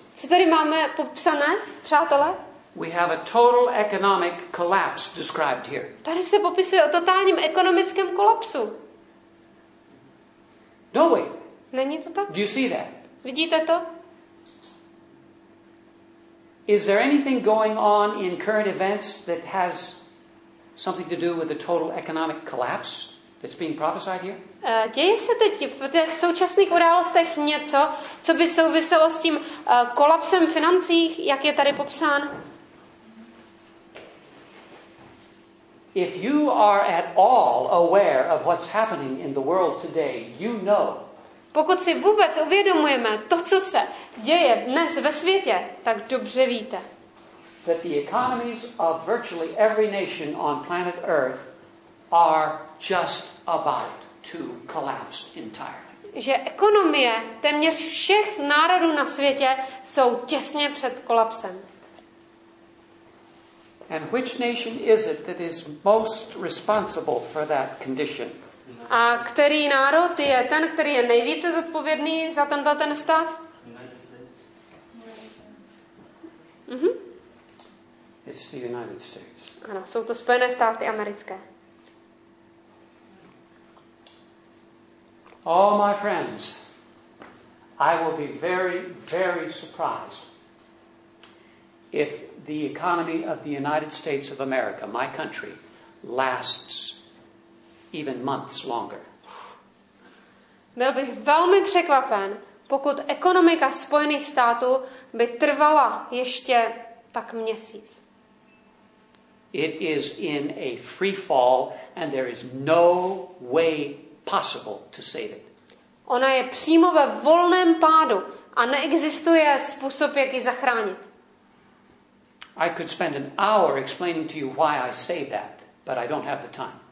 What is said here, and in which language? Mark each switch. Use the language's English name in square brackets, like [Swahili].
[Czech] Co tady máme popsané, přátelé? [English] We have a total economic collapse described here. [Czech] Tady se popisuje o totálním ekonomickém kolapsu. [English] No way. [Czech] Není to tak? [English] Do you see that? [Czech] Vidíte to? [English] Is there anything going on in current events that has something to do with the total economic collapse that's being prophesied here? [Czech] Děje se teď v těch současných událostech něco, co by souviselo s tím kolapsem financí, jak je tady popsán? [English] If you are at all aware of what's happening in the world today, you know. [Czech] Pokud si vůbec uvědomujeme to, co se děje dnes ve světě, tak dobře víte. [English] That the economies of virtually every nation on planet Earth are just about to collapse entirely. [Czech] Že ekonomie téměř všech národů na světě jsou těsně před kolapsem. [English] And which nation is it that is most responsible for that condition? [Czech] A který národ je ten, který je nejvíce zodpovědný za tento ten stav? [English] It's the United States. [Czech] Ano, jsou to Spojené státy americké. [English] Oh, my friends, I will be very, very surprised if the economy of the United States of America, my country, lasts even months longer. [Czech] Byl bych velmi překvapen, pokud ekonomika Spojených států by trvala ještě tak měsíc. [English] It is in a free fall and there is no way possible to save it. [Czech] Ona je přímo ve volném pádu a neexistuje způsob, jak ji zachránit. [English] I could spend an hour explaining to you why I say that, but I don't have the time.